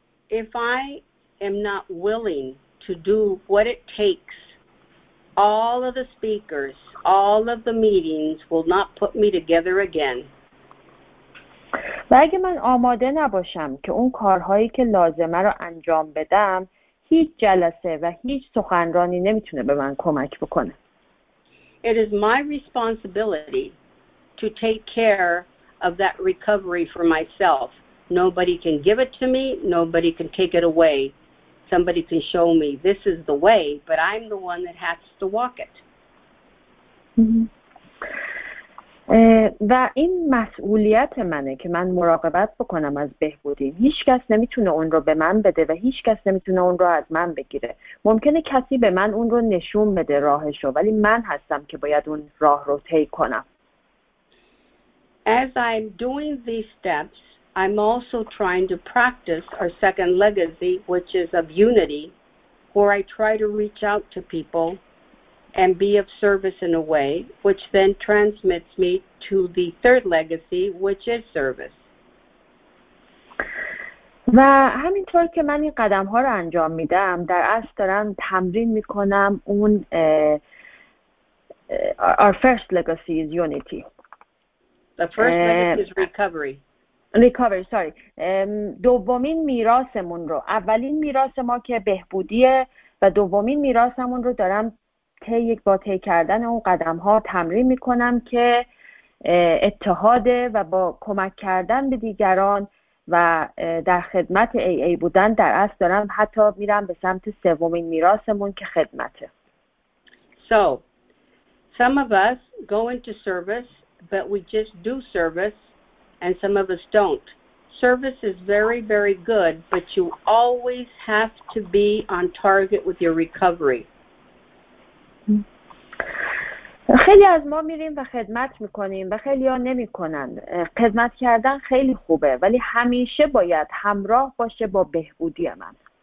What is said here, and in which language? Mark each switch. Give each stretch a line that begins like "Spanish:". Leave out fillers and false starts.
English: If I am not willing to do what it takes, all of the speakers, all of the meetings will not put me together again.
Persian: و اگه من آماده نباشم که اون کارهایی که لازمه رو انجام بدم، هیچ جلسه و هیچ سخنرانی نمیتونه به من کمک بکنه.
English: It is my responsibility to take care of that recovery for myself. Nobody can give it to me, nobody can take it away. Somebody can show me this is the way, but I'm the one that has to walk it.
Persian: و این مسئولیت منه که من مراقبت بکنم از بهبودی. هیچ کس نمیتونه اون رو به من بده و هیچ کس نمیتونه اون رو از من بگیره. ممکنه کسی به من اون رو نشون بده راهش رو، ولی من هستم که باید اون راه رو طی کنم.
English: As I'm doing these steps, I'm also trying to practice our second legacy, which is of unity, where I try to reach out to people and be of service in a way, which then transmits me to the third legacy, which is service.
Persian: و همینطور که من این قدم ها رو انجام میدم، در اصل دارم تمرین میکنم اون
English: our first legacy is unity. The first legacy is recovery. Recovery, sorry.
Persian: دومین میراثمون رو، اولین میراث ما که بهبودیه و دومین میراثمون رو دارم با تی کردن اون قدم ها تمرین میکنم که اتحاده و با کمک کردن به دیگران و در خدمت AA بودن در اصل دارم حتی میرم به سمت سومین میراثمون که خدمته.
English: So, some of us go into service, but we just do service, and some of us don't. Service is very, very good, but you always have to be on target with your recovery.
Persian: خیلی از ما میریم و خدمت میکنیم و خیلی ها نمی کنن. خدمت کردن خیلی خوبه ولی همیشه باید همراه باشه با بهبودی من.